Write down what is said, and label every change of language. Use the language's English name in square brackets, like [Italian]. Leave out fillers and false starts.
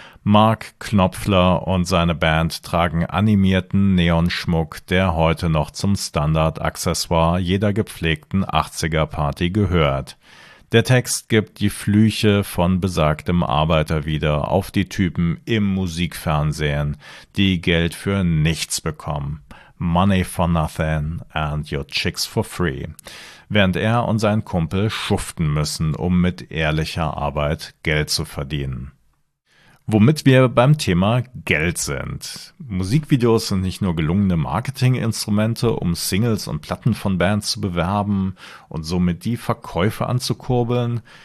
[German] Mark Knopfler und seine Band tragen animierten Neonschmuck, der heute noch zum Standard-Accessoire jeder gepflegten 80er-Party gehört. Der Text gibt die Flüche von besagtem Arbeiter wieder auf die Typen im Musikfernsehen, die Geld für nichts bekommen. [English] Money for nothing and your chicks for free. [German] Während er und sein Kumpel schuften müssen, um mit ehrlicher Arbeit Geld zu verdienen. Womit wir beim Thema Geld sind. Musikvideos sind nicht nur gelungene Marketinginstrumente, um Singles und Platten von Bands zu bewerben und somit die Verkäufe anzukurbeln.